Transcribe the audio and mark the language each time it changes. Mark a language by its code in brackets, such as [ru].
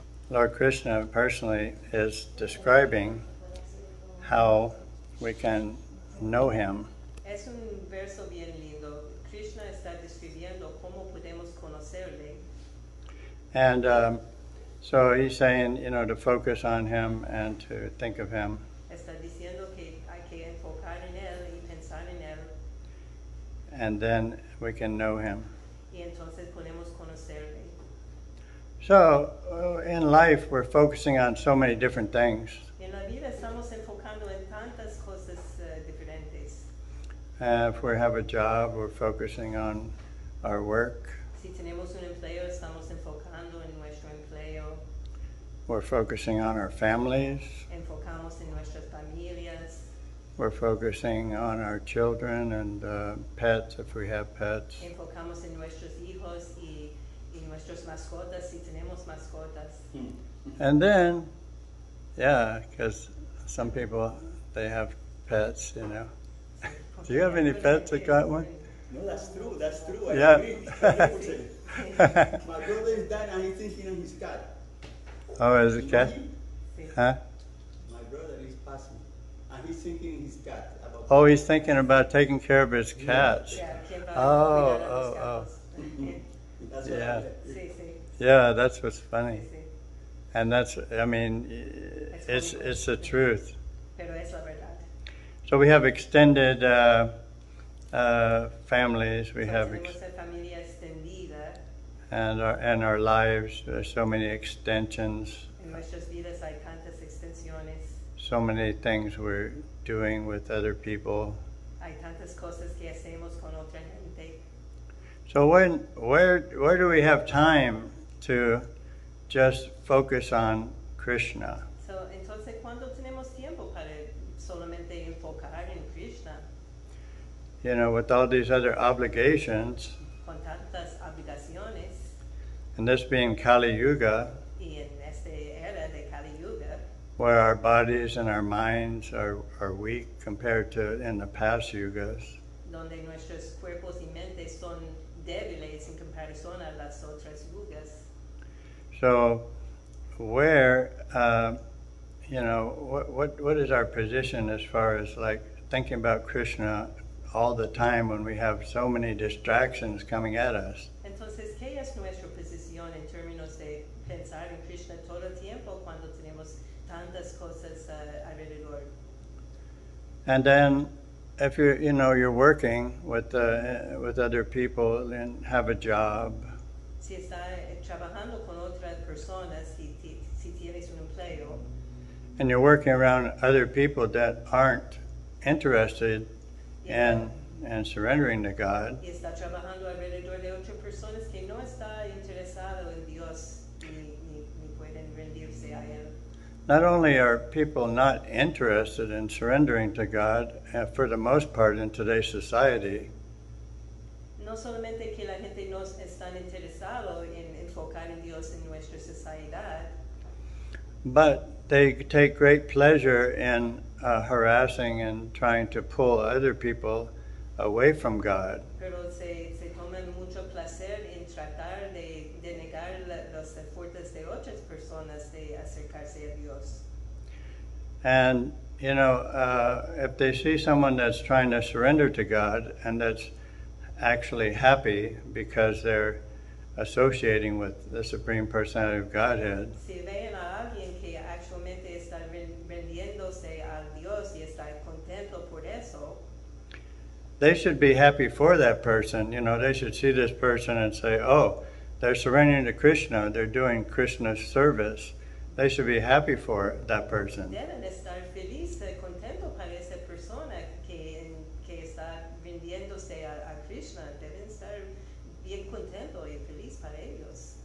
[en] Lord Krishna personally is describing how we can know him. [es] Es un verso bien lindo. Krishna está describiendo cómo podemos conocerle. [en] And so he's saying, you know, to focus on him and to think of him. [es] Está diciendo que hay que enfocar en él y pensar en él. [en] And then we can know him. [es] Y entonces podemos conocerle. [en] So, in life, we're focusing on so many different things. [es] En la vida estamos enfocando en tantas cosas diferentes. [en] If we have a job, we're focusing on our work. [es] Si tenemos un empleo, estamos enfocando en nuestro empleo. [en] We're focusing on our families. [es] Enfocamos en nuestras familias. [en] We're focusing on our children and pets, if we have pets. [es] Enfocamos en nuestros hijos y nuestras mascotas, si tenemos mascotas. [en] And then, yeah, because some people, they have pets, you know. Do you have any pets that got one? No, that's true. Yeah. My brother is dying and he's thinking of his cat. Oh, is it cat? Huh? My brother is passing and he's thinking of his cat. Oh, he's thinking about taking care of his cats. Yeah. Oh. That's yeah. [es] Sí. [en] Yeah, that's what's funny. [es] Sí. [en] And that's, I mean, it's the truth. [es] Pero es la verdad. [en] So we have extended families. We have [es] familia extendida. [en] And our lives, there's so many extensions. [es] En nuestras vidas hay tantas extensiones. [en] So many things we're doing with other people. [es] Hay tantas cosas que hacemos con otra gente. [en] So where do we have time to just focus on Krishna? So [es] entonces, ¿cuándo tenemos tiempo para solamente enfocar en Krishna? [en] You know, with all these other obligations. [es] Con tantas obligaciones. [en] And this being Kali Yuga. [es] Y en esta era de Kali Yuga. [en] Where our bodies and our minds are weak compared to in the past yugas. [es] Donde nuestros cuerpos y mentes son débiles en comparación a las otras yugas. [en] So, what is our position as far as like thinking about Krishna all the time when we have so many distractions coming at us? [es] Entonces, ¿qué es nuestra posición en términos de pensar en Krishna todo el tiempo cuando tenemos tantas cosas alrededor? [en] And then, if you're working with other people and have a job. [es] Si está trabajando con otras personas, si tienes un empleo. [en] And you're working around other people that aren't interested in surrendering to God. [es] Y está trabajando alrededor de otras personas que no está interesado en Dios ni pueden rendirse a él. [en] Not only are people not interested in surrendering to God, for the most part in today's society. [es] No solamente que la gente no está interesado en enfocar en Dios en nuestra sociedad. [en] But they take great pleasure in harassing and trying to pull other people away from God. [es] Pero se toman mucho placer en tratar de negar los esfuerzos de otras personas de acercarse a Dios. [en] And, you know, if they see someone that's trying to surrender to God and that's actually happy because they're associating with the Supreme Personality of Godhead. [es] Si ven a alguien que actualmente está rendiéndose a Dios y está contento por eso. [en] They should be happy for that person. You know, they should see this person and say, oh, they're surrendering to Krishna. They're doing Krishna's service. They should be happy for that person. [es] Deben estar feliz, contento para esa persona que está rindiéndose a Krishna. Deben estar bien contento y feliz para ellos.